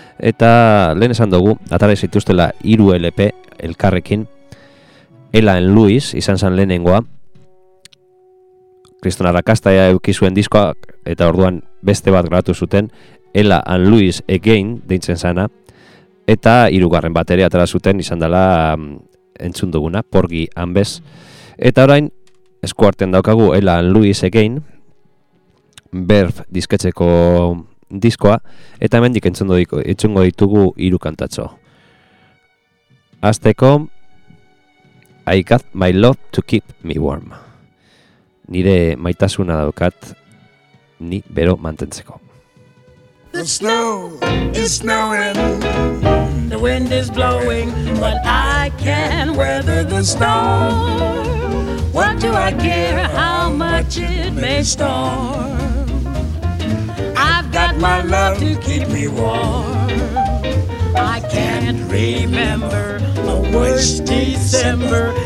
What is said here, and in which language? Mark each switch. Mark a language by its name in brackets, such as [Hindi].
[Basque] Eta lehen esan dugu, atare zituztela hiru LP elkarrekin, Ella and Louis izan zen lehenengoa, Kriston Arrakasta eukizuen diskoak, eta orduan beste bat grabatu zuten, Ella and Louis Again deintzen zana, eta hirugarren bat ere atera zuten izan dela entzun duguna, Porgy and Bess. Eta orain, eskuartean daukagu Ella and Louis Again, Verve disketzeko diskoa, eta hemendik entzungo ditugu hiru kantatxo. [English] Azteko, I got my love to keep me warm. [Basque] Nire maitasuna daukat ni bero mantentzeko. [English] The snow is snowing, the wind is blowing, but I can weather the storm. What do I care how much it may storm? I've got my love to keep me warm. I can't remember a worse December.